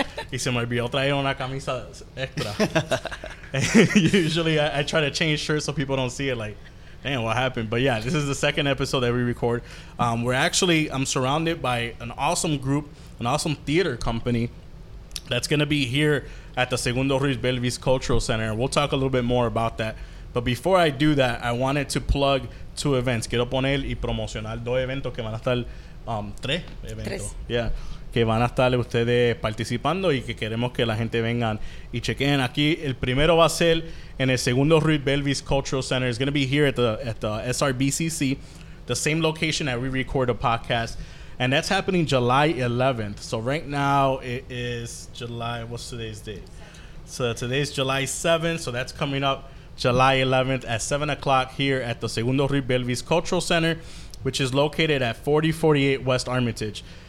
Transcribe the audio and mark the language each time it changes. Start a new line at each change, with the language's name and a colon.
Spanish: Y se me olvidó traer una camisa extra.
English: Usually, I try to change shirts so people don't see it, like, damn, what happened? But yeah, this is the second episode that we record. I'm surrounded by an awesome group, an awesome theater company, that's going to be here at the Segundo Ruiz Belvis Cultural Center. We'll talk a little bit more about that. But before I do that, I wanted to plug two events.
Spanish: Quiero poner y promocionar dos eventos que van a estar... tres eventos. Tres.
English: Yeah.
Spanish: Que van a estar ustedes participando y que queremos que la gente vengan y chequen aquí. El primero va a ser en el Segundo Ruiz Belvis Cultural Center.
English: It's going to be here at the SRBCC, the same location that we record a podcast. And that's happening July 11th. So right now it is July. What's today's date? So today's July 7th. So that's coming up July 11th at 7 o'clock here at the Segundo Ruiz Belvis Cultural Center, which is located at 4048 West Armitage.